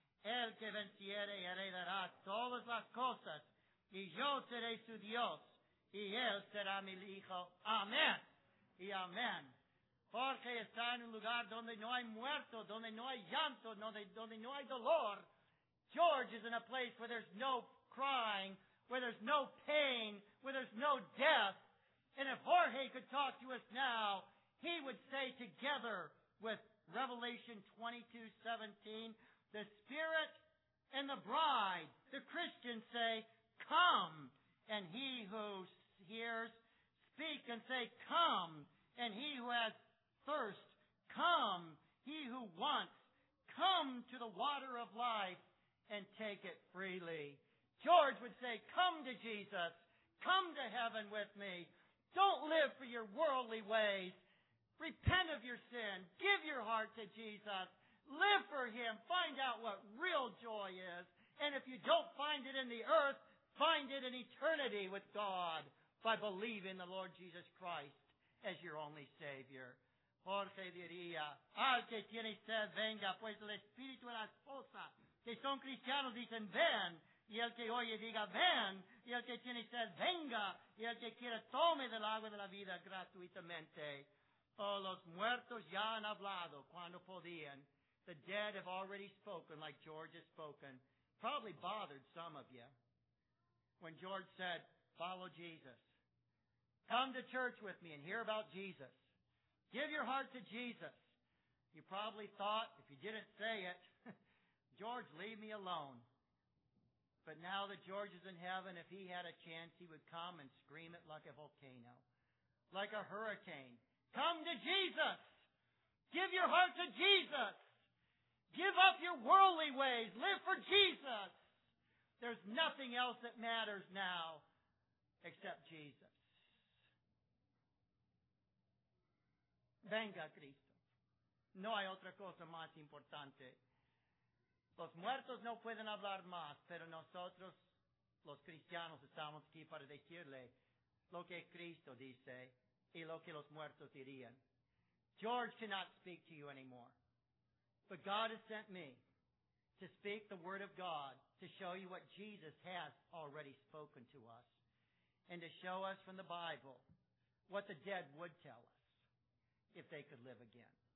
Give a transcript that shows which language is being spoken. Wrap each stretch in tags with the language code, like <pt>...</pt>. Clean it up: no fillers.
<es>El que venciere heredará todas las cosas, y yo seré su Dios, y él será mi hijo. Amén y amén. Jorge está en un lugar donde no hay muerto, donde no hay llanto, donde no hay dolor.</es> <en>George is in a place where there's no crying, where there's no pain, where there's no death. And if Jorge could talk to us now, he would say together with Revelation 22:17, the Spirit and the Bride, the Christians say, come. And he who hears, speak and say, come. And he who has thirst, come. He who wants, come to the water of life and take it freely. George would say, come to Jesus. Come to heaven with me. Don't live for your worldly ways. Repent of your sin. Give your heart to Jesus. Live for him. Find out what real joy is. And if you don't find it in the earth, find it in eternity with God by believing the Lord Jesus Christ as your only Savior.</en> <es>Jorge diría, al que tiene sed, venga, pues el espíritu de la esposa, que son cristianos, dicen, ven. Y el que oye diga, ven. Y el que tiene sed, venga. Y el que quiere, tome del agua de la vida gratuitamente. Oh, los muertos ya han hablado cuando podían.</es> <en>The dead have already spoken like George has spoken. Probably bothered some of you. When George said, follow Jesus. Come to church with me and hear about Jesus. Give your heart to Jesus. You probably thought, if you didn't say it, George, leave me alone. But now that George is in heaven, if he had a chance, he would come and scream it like a volcano, like a hurricane. Come to Jesus. Give your heart to Jesus. Give up your worldly ways. Live for Jesus. There's nothing else that matters now except Jesus.</en> <es>Venga, Cristo. No hay otra cosa más importante. Los muertos no pueden hablar más, pero nosotros, los cristianos, estamos aquí para decirle lo que Cristo dice y lo que los muertos dirían.</es> <en>George cannot speak to you anymore, but God has sent me to speak the word of God, to show you what Jesus has already spoken to us, and to show us from the Bible what the dead would tell us if they could live again.</en>